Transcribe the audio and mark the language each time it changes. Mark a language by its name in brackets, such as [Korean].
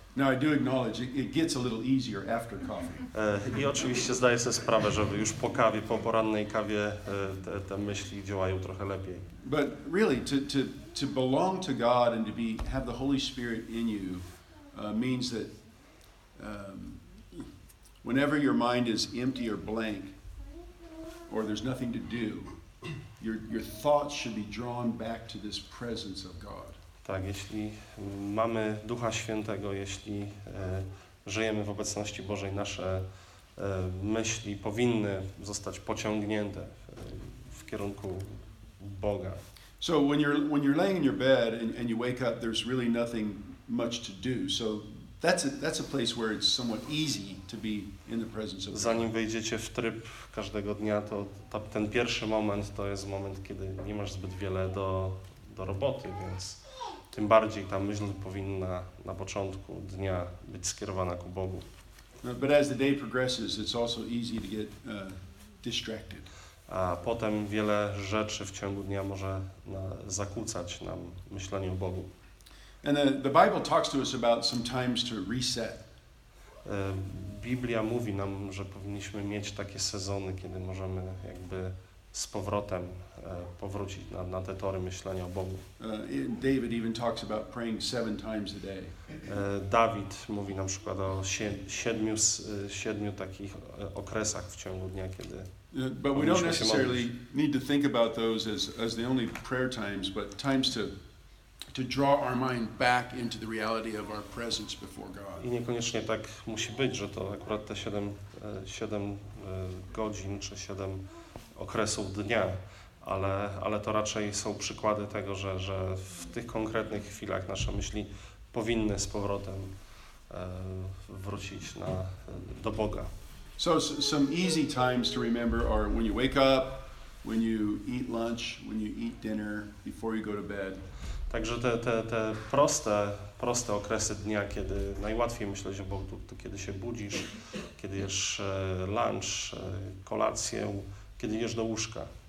[English] Now I do acknowledge it gets a little easier after coffee. [Polish] I oczywiście zdaję sobie sprawę, że już po kawie, po porannej kawie te myśli działają trochę lepiej. [English] But really to belong to God and to be have the Holy Spirit in you means that whenever your mind is empty or blank or there's nothing to do, your thoughts should be drawn back to this presence of God. [Polish] Tak, jeśli mamy Ducha Świętego, jeśli żyjemy w obecności Bożej, nasze myśli powinny zostać pociągnięte w kierunku Boga. [English] So when you're laying in your bed and you wake up, there's really nothing much to do. So that's a place where it's somewhat easy to be in the presence of God. [Polish] Zanim wejdziecie w tryb każdego dnia, to ten pierwszy moment to jest moment, kiedy nie masz zbyt wiele do roboty, więc tym bardziej ta myśl powinna na początku dnia być skierowana ku Bogu. [English] But as the day progresses, it's also easy to get distracted. [Polish] A potem wiele rzeczy w ciągu dnia może zakłócać nam myślenie o Bogu. [English] And the Bible talks to us about some times to reset. [Polish] Biblia mówi nam, że powinniśmy mieć takie sezony, kiedy możemy jakby z powrotem powrócić na te tory myślenia o Bogu. [English] David even talks about praying 7 times a day. [Polish] Dawid mówi na przykład o siedmiu takich okresach w ciągu dnia, kiedy [English] But we don't necessarily need to think about those as the only prayer times, but times to draw our mind back into the reality of our presence before God. [Polish] I niekoniecznie tak musi być, że to akurat te 7 godzin czy 7 okresów dnia, ale to raczej są przykłady tego, że w tych konkretnych chwilach nasze myśli powinny z powrotem wrócić do Boga. [English] So some easy times to remember are when you wake up, when you eat lunch, when you eat dinner, before you go to bed. [Polish] Także te proste okresy dnia, kiedy najłatwiej myśleć o Bogu, to kiedy się budzisz, kiedy jesz lunch, kolację, kiedy jesz do łóżka.